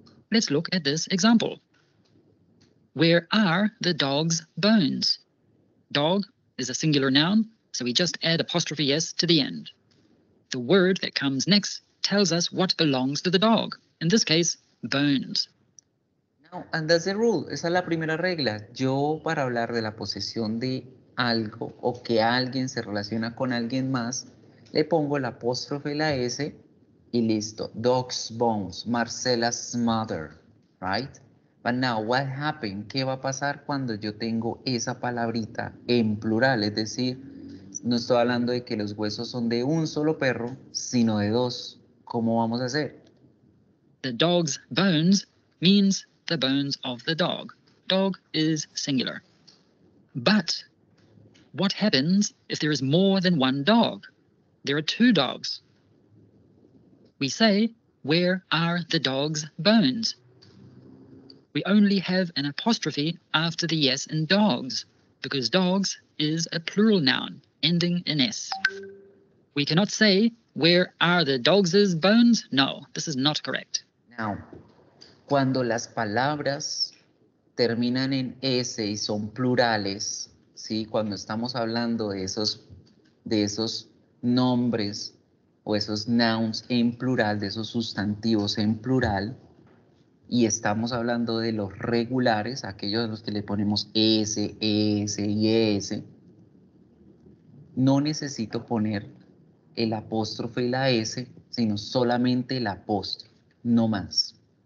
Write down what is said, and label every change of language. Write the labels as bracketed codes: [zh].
[en] Let's look at this example. Where are the dog's bones? Dog is a singular noun, so we just add apostrophe S to the end. The word that comes next tells us what belongs to the dog. In this case, bones. No, and that's the rule. [es] Esa es la primera regla. Yo, para hablar de la posesión de algo o que alguien se relaciona con alguien más, le pongo la apóstrofe, la S, y listo. [en] Dog's bones, Marcela's mother, right? But now, what happened? [es] ¿Qué va a pasar cuando yo tengo esa palabrita en plural? Es decir, no estoy hablando de que los huesos son de un solo perro, sino de dos. ¿Cómo vamos a hacer? [en] The dog's bones means the bones of the dog. Dog is singular. But what happens if there is more than one dog? There are two dogs. We say, where are the dog's bones? We only have an apostrophe after the S in dogs, because dogs is a plural noun ending in S. We cannot say, where are the dog's bones? No, this is not correct. [es] Now, cuando las palabras terminan en S y son plurales, ¿sí? Cuando estamos hablando de esos nombres o esos nouns en plural, de esos sustantivos en plural, y estamos hablando de los regulares, aquellos a los que le ponemos S, S y S, no necesito poner el apóstrofe y la S, sino solamente el apóstrofe, no más.